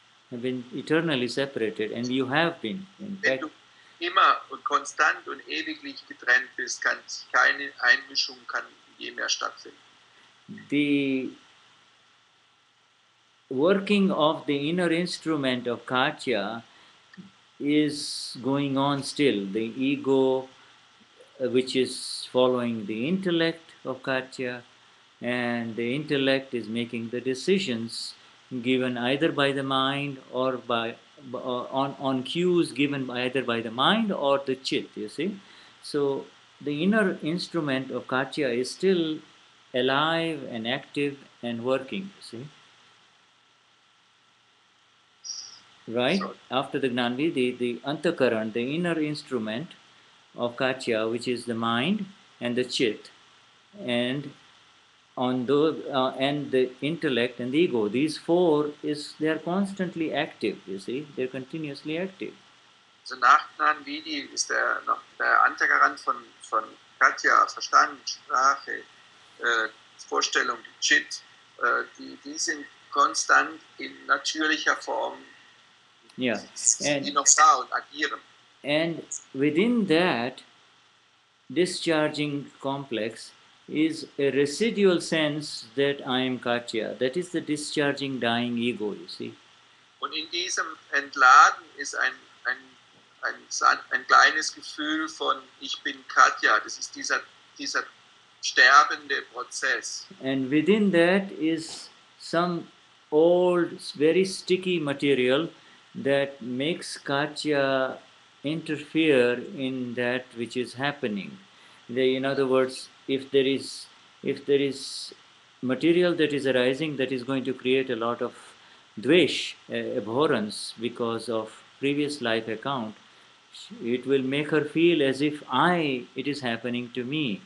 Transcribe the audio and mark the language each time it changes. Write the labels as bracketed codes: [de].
[en] have been eternally separated, and you have been, in fact, [de] immer und konstant und ewiglich getrennt bist, kann keine Einmischung kann je mehr stattfinden. [en] The working of the inner instrument of Katya is going on still. The ego, which is following the intellect of Katya, and the intellect is making the decisions given either by the mind or by on cues given either by the mind or the chit, you see. So the inner instrument of Katya is still alive and active and working, you see. Right? Sorry. After the Gnanvidhi, the antakaran, the inner instrument of Katya, which is the mind and the chit, and on the and the intellect and the ego, these four they are constantly active, you see, they're continuously active. [de] So nach Gnanvidhi ist der Antakaran von Katya, Verstand, Sprache, Vorstellung, Chit, die sind konstant in natürlicher Form, die noch da und agieren. [en] And within that discharging complex is a residual sense that I am Katya. That is the discharging, dying ego, you see. [de] Und in diesem Entladen ist ein kleines Gefühl von ich bin Katya. Das ist dieser sterbende Prozess. [en] And within that is some old, very sticky material that makes Katya interfere in that which is happening. In other words, if there is material that is arising that is going to create a lot of dvesh, abhorrence because of previous life account, it will make her feel as if it is happening to me.